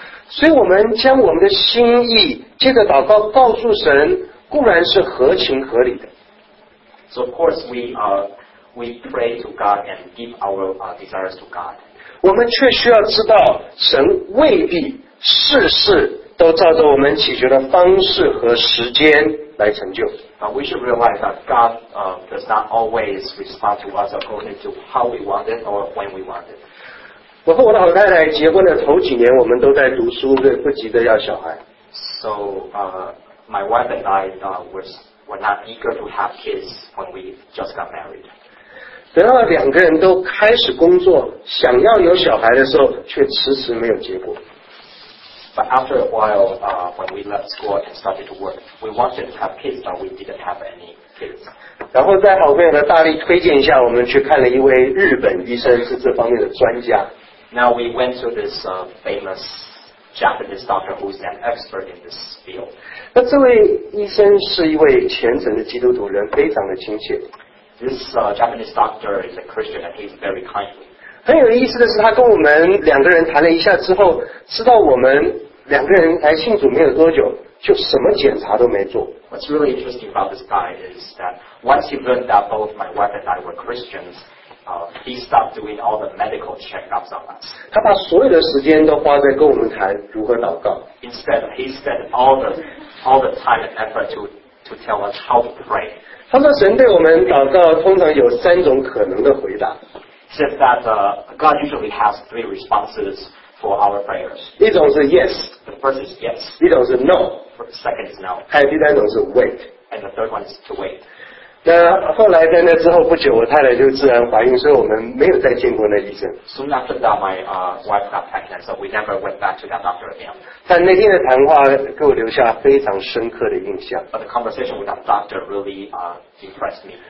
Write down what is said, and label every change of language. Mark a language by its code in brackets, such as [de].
[zh] 所以我们将我们的心意借着祷告告诉神，固然是合情合理的。 [en] So of course we pray to God and give our desires to God. [zh] 我们却需要知道神未必事事都照着我们祈求的方式和时间来成就。 [en] But we should realize that God does not always respond to us according to how we want it or when we want it. [zh] 我和我的好太太结婚的头几年，我们都在读书，不急着要小孩。 [en] So my wife and I were not eager to have kids when we just got married. [zh] 等到两个人都开始工作，想要有小孩的时候，却迟迟没有结果。 [en] But after a while, when we left school and started to work, we wanted to have kids, but we didn't have any kids. [zh] 然后在好朋友的大力推荐下，我们去看了一位日本医生，是这方面的专家。 [en] Now we went to this famous Japanese doctor who's an expert in this field. [zh] 那这位医生是一位虔诚的基督徒，人非常的亲切。 [en] This Japanese doctor is a Christian and he's very kind. To me. [zh] 很有意思的是，他跟我们两个人谈了一下之后，知道我们两个人来信主没有多久，就什么检查都没做。 [en] What's really interesting about this guy is that once he learned that both my wife and I were Christians, he stopped doing all the medical checkups on us. [zh] 他把所有的时间都花在跟我们谈如何祷告。 [en] Instead, he spent all the time and effort to tell us how to pray. [zh] 他说神对我们祷告通常有三种可能的回答。 [en] Says that God usually has three responses for our prayers. [zh] 一种是 yes. [en] The first is yes. [zh] 一种是 no. [en] The second is no. [zh] 还有第三种是 wait. [en] And the third one is to wait. [zh] 那后来在那之后不久，我太太就自然怀孕，所以我们没有再见过那医生。 [en] Soon after that, my wife got pregnant, so we never went back to that doctor again. [zh] 但那天的谈话给我留下非常深刻的印象。 [en] But the conversation with that doctor really impressed me.